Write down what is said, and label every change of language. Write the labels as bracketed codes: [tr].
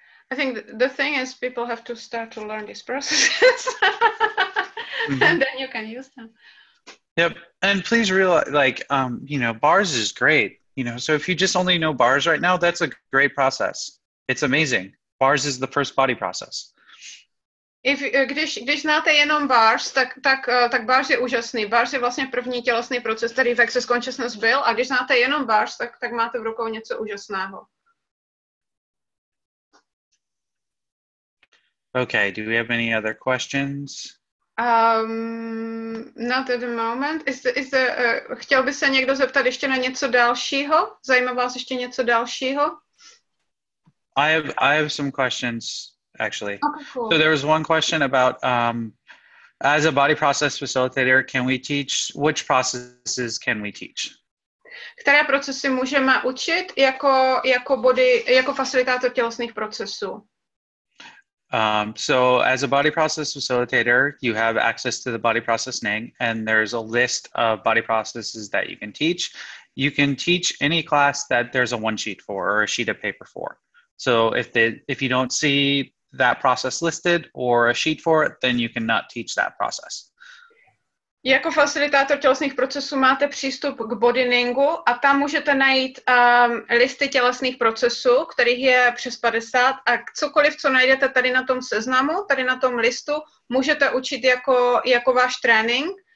[en] I think the thing is people have to start to learn these processes mm-hmm. and then you can use them. Yep. And please realize, like, you know, bars is great, you know, so if you just only know bars right now, that's a great process. It's amazing. Bars is the first body process. [cs] Když znáte jenom bars, tak bars je úžasný. Bars je vlastně první tělesný proces, který v access consciousness byl. A když znáte jenom bars, tak máte v rukou něco úžasného. [en] Okay, do we have any other questions? Not at the moment. [cs] Chtěl by se někdo zeptat ještě na něco dalšího? Zajímá vás ještě něco dalšího? [en] I have some questions, actually. Okay, cool. So there was one question about, as a body process facilitator, can we teach, which processes can we teach? [cs] Které procesy můžeme učit jako body, jako facilitátor tělesných procesů? [en] So as a body process facilitator, you have access to the body process name, and there's a list of body processes that you can teach. You can teach any class that there's a one sheet for or a sheet of paper for. So if you don't see that process listed or a sheet for it, then you cannot teach that process. [cs] Jako facilitátor tělesných procesů máte přístup k bodyningu a tam můžete najít listy tělesných procesů, kterých je přes 50 a cokoliv, co najdete tady na tom seznamu, tady na tom listu, můžete učit jako váš trénink.